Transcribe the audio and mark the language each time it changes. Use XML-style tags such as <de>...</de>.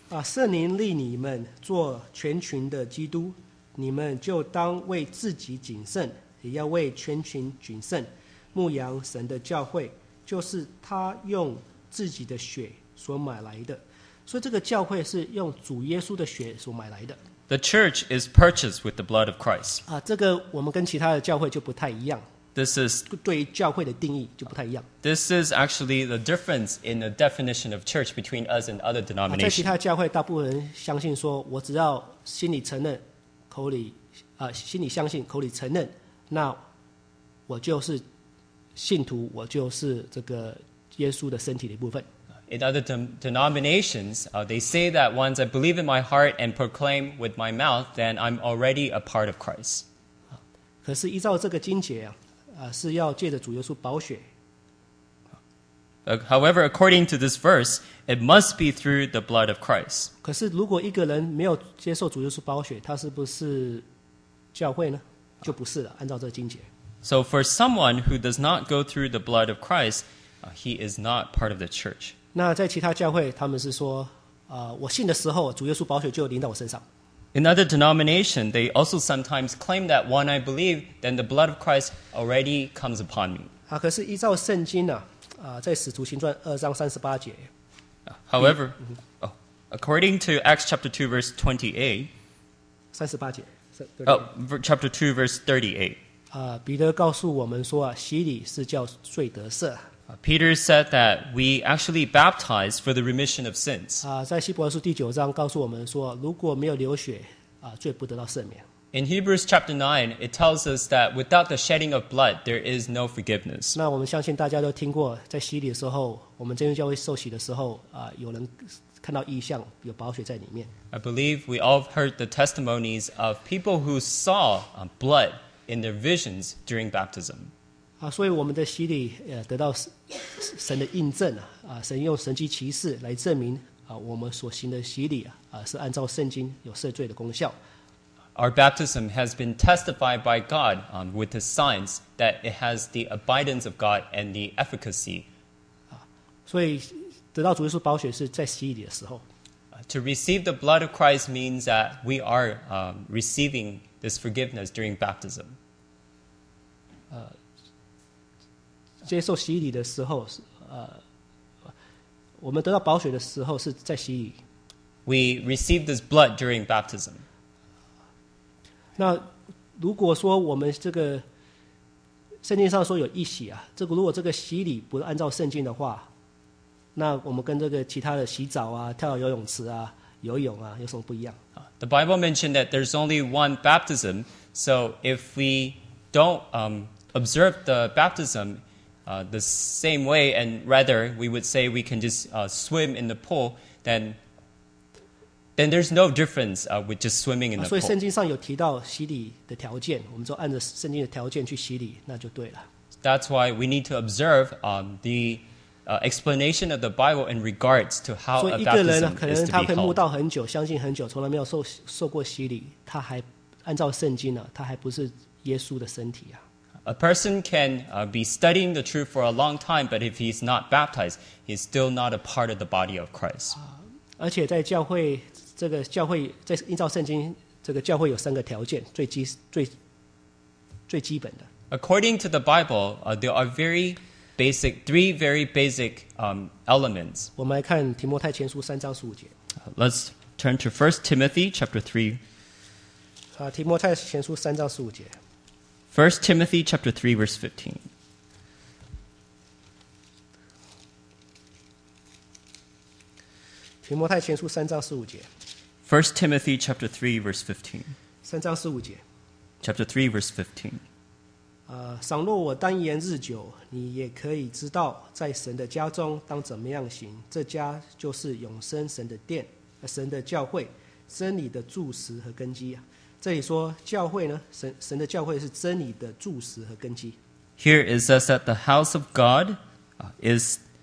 <zh>圣灵立你们做全群的基督，你们就当为自己谨慎，也要为全群谨慎。牧羊神的教会就是他用自己的血所买来的，所以这个教会是用主耶稣的血所买来的。</zh> <en>The church is purchased with the blood of Christ.</en> <zh>这个我们跟其他的教会就不太一样。</zh> <en>This is</en> <zh>对于教会的定义就不太一样。</zh> <en>This is actually the difference in the definition of church between us and other denominations.</en> <zh>在其他的教会，大部分人相信说，我只要心里承认，口里心里相信，口里承认，那我就是。信徒，我就是这个耶稣的身体的一部分。</zh> <en>In other denominations, they say that once I believe in my heart and proclaim with my mouth, then I'm already a part of Christ.</en> <zh>可是依照这个经节是要借着主耶稣宝血。</zh> <en>However, according to this verse, it must be through the blood of Christ.</en> <zh>可是如果一个人没有接受主耶稣宝血，他是不是教会呢？就不是了，按照这个经节。</zh> <en>So for someone who does not go through the blood of Christ, he is not part of the church.</en> <zh>那在其他教会，他们是说，我信的时候，主耶稣宝血就临到我身上。</zh> <en>In other denomination, they also sometimes claim that when I believe, then the blood of Christ already comes upon me.</en> <zh>可是依照圣经在使徒行传二章三十八节。</zh> <en>However, according to Acts chapter 2 verse 28.</en> <zh>三十八节。</zh> <en>Chapter 2 verse 38.</en> <zh>彼得告诉我们说洗礼是叫罪得赦。</zh> <en>Peter said that we actually baptize for the remission of sins.</en> <zh>在希伯来书第九章告诉我们说，如果没有流血，罪不得到赦免。</zh> <en>In Hebrews chapter 9, it tells us that without the shedding of blood, there is no forgiveness.</en> <zh>那我们相信大家都听过，在洗礼的时候，我们真耶稣教会受洗的时候，有人看到异象，有宝血在里面。</zh> <en>I believe we all heard the testimonies of people who saw blood in their visions during baptism.</en> <zh>所以我们的洗礼得到神的印证，神用神迹奇事来证明我们所行的洗礼是按照圣经有赦罪的功效。</zh> <en>Our baptism has been testified by God with the signs that it has the abidance of God and the efficacy.</en> <zh>所以得到主耶稣宝血是在洗礼的时候。</zh> <en>To receive the blood of Christ means that we are receiving this forgiveness during baptism.</en> <zh>接受洗礼的时候，我们得到宝血的时候是在洗礼。</zh> <en>We receive this blood during baptism.</en> <zh>那如果说我们这个圣经上说有一洗这个如果这个洗礼不按照圣经的话，那我们跟这个其他的洗澡跳到游泳池游泳有什么不一样？</zh> <en>The Bible mentioned that there's only one baptism, so if we don't observe the baptism the same way, and rather we would say we can just swim in the pool, then there's no difference with just swimming in the pool.</en> <zh>所以圣经上有提到洗礼的条件，我们就按着圣经的条件去洗礼，那就对了。</zh> <en>That's why we need to observe the explanation of the Bible in regards to how a baptism is to be held.</en> <zh>所以一个人可能他会慕道很久，相信很久，从来没有受过洗礼，他还按照圣经他还不是耶稣的身体。</zh> <en>A person can be studying the truth for a long time, but if he's not baptized, he's still not a part of the body of Christ.</en> <zh>而且在教会这个教会在依照圣经这个教会有三个条件最基本的。</zh> <en>According to the Bible, there are three very basic elements.</en> <zh>我们来看提摩太前书三章十五节。</zh> <en>Let's turn to 1 Timothy chapter 3.</en> <zh>提摩太前书三章十五节。</zh> <en>1 Timothy chapter 3 verse 15.</en> <zh>提摩太前书三章十五节。</zh> <en>First Timothy chapter 3 verse 15.</en> <zh>三章十五节。</zh> <en>Chapter 3 verse 15.</en> <zh>倘若我单言日久，你也可以知道在神的家中当怎么样行。这家就是永生神的殿，神的教会，真理的柱石和根基。这里说教会呢，神的教会是真理的柱石和根基。</zh> <en>Here it says that the house of God is.</en>